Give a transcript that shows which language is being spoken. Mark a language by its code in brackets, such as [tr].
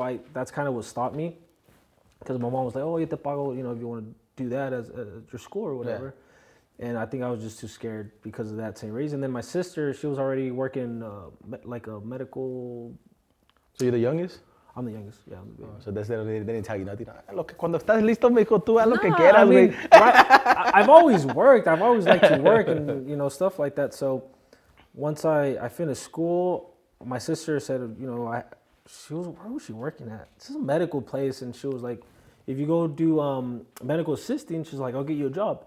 [en] So that's kind of what stopped me. Because my mom was like, oh, you have to pago, you know, if you want to do that at your school or whatever. Yeah. And I think I was just too scared because of that same reason. Then my sister, she was already working like a medical. So you're the youngest? I'm the youngest, yeah. I'm the baby. So that's they didn't tell you nothing. [es] Lo que cuando estás listo, mijo, tú haz lo que quieras. [en] I mean, I've always worked. I've always liked to work and, you know, stuff like that. So once I finished school, my sister said, you know, where was she working at? This is a medical place. And she was like, if you go do medical assisting, she's like, I'll get you a job.